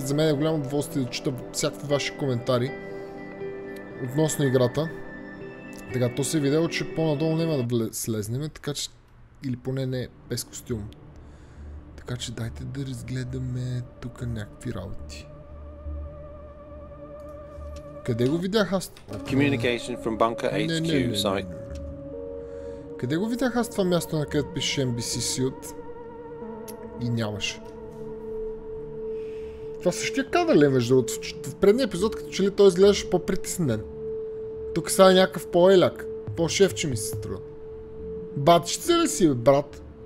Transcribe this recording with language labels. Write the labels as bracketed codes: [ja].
[bg] За мен е голямо удоволствие да чета всякакви ваши коментари относно играта. Така, то се е видело, че по-надолу няма да слезнем, така че, или поне не без костюм. Така че дайте да разгледаме тук някакви работи. Къде го видях аз? [en] Communication from Bunker HQ site. [bg] Къде го видях аз това място, на където пише NBC Suit и нямаше? Това същия кадър ли е между другото? В предния епизод, като че ли той изглеждаше по-притеснен? Тук сега е някакъв по-еляк, по-шефче ми се струва. Батчица ли си, брат?